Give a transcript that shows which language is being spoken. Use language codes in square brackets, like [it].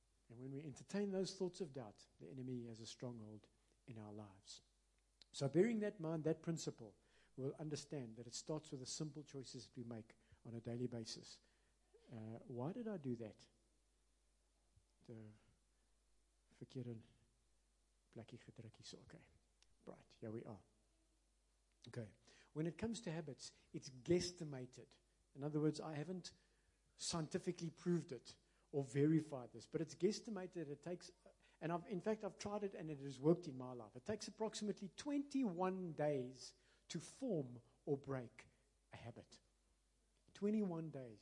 [en] And when we entertain those thoughts of doubt, the enemy has a stronghold in our lives. So bearing that mind, that principle, we'll understand that it starts with the simple choices that we make on a daily basis. Why did I do that? [af] The verkeerde plekkie gedruk hier. [en] Okay. Right. Here we are. Okay. When it comes to habits, it's guesstimated. In other words, I haven't scientifically proved it or verified this, but it's guesstimated. It takes, and I've tried it and it has worked in my life. It takes approximately 21 days to form or break a habit. 21 days.